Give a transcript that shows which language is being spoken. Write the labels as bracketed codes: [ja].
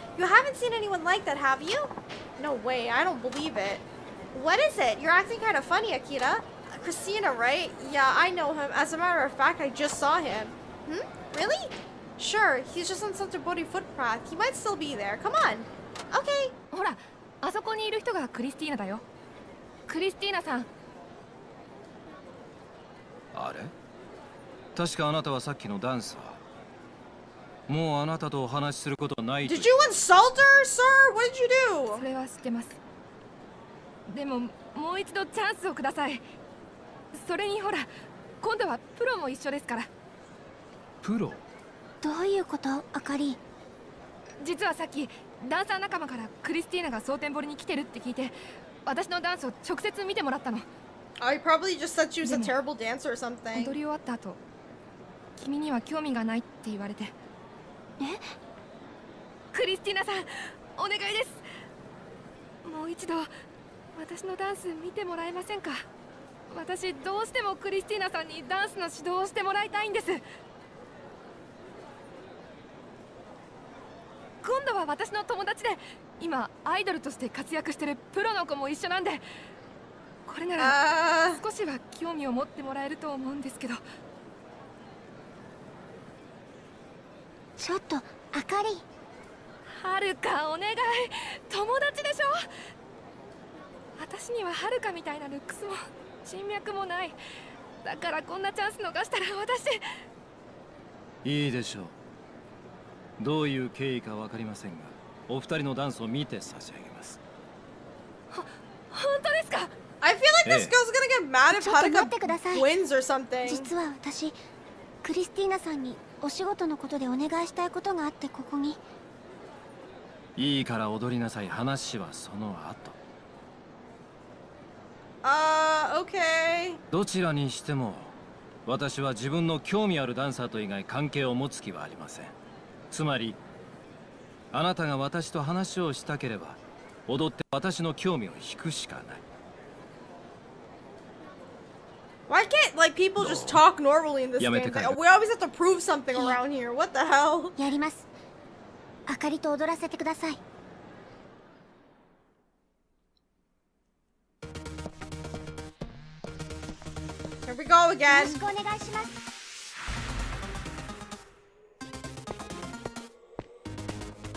[en] You haven't seen anyone like that, have you? No way, I don't believe it. What is it? You're acting kind of funny, Akira. Christina, right? Yeah, I know him. As a matter of fact, I just saw him. Hmm? Really? Sure, he's just on such a bloody footpath. He might still be there. Come on. Okay. [ja] ほら、あそこにいる人がクリスティーナだよ。クリスティーナさん。あれ？確かあなたはさっきのダンサー。もうあなたとお話しすることない。 [en] Did you insult her, sir? What did you do? [ja] それは知ってます。でも、もう一度チャンスをください。それにほら、今度はプロも一緒ですから。プロ？どういうこと、あかり？実はさっき、ダンサー仲間からクリスティーナが蒼天堀に来てるって聞いて、私のダンスを直接見てもらったの。 [en] I probably just thought she was a terrible dancer or something. [ja] 踊り終わった後、君には興味がないって言われて。え？クリスティーナさん、お願いです。もう一度、私のダンス見てもらえませんか？私、どうしてもクリスティーナさんにダンスの指導をしてもらいたいんです。今度は私の友達で、今アイドルとして活躍してるプロの子も一緒なんで、これなら少しは興味を持ってもらえると思うんですけど。ちょっと、あかり。はるか、お願い。友達でしょ？私にははるかみたいなルックスも人脈もない。だからこんなチャンス逃したら私。いいでしょう。どういう経緯か分かりませんが、お二人のダンスを見て差し上げます。本当ですか？ [en] I feel like this girl's gonna get mad if Haruka wins or something. [ja] 実は私、クリスティーナさんにお仕事のことでお願いしたいことがあってここに。いいから踊りなさい。話はその後。 [en] Okay. [ja] どちらにしても私は自分の興味あるダンサーと以外関係を持つ気はありません。つまりあなたが私と話をしたければ踊って私の興味を引くしかない。 [en] Why can't like people just talk normally in this game? We always have to prove something around here. What the hell? [ja] やります。あかりと踊らせてください。 [en] Here we go again. [ja] よろしくお願いします。